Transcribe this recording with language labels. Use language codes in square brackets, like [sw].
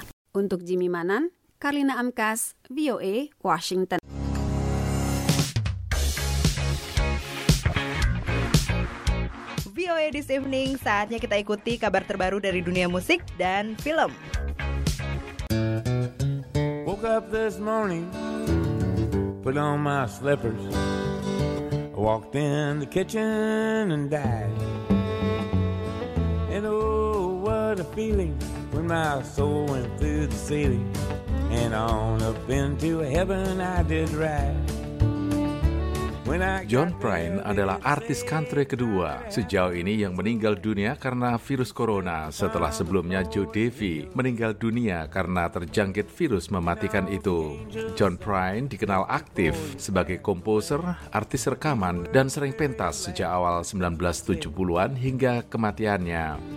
[id] Untuk Jimmy Manan, Karlina Amkas, VOA, Washington. VOA di This Evening, saatnya kita ikuti kabar terbaru dari dunia musik dan film. [en] Woke up this morning, put on my slippers, walked in the kitchen and died. And oh, what a feeling when my soul went through the ceiling and on up into heaven I did ride. [id] John Prine adalah artis country kedua sejauh ini yang meninggal dunia karena virus corona setelah sebelumnya Joe Davey meninggal dunia karena terjangkit virus mematikan itu. John Prine dikenal aktif sebagai komposer, artis rekaman, dan sering pentas sejak awal 1970-an hingga kematiannya.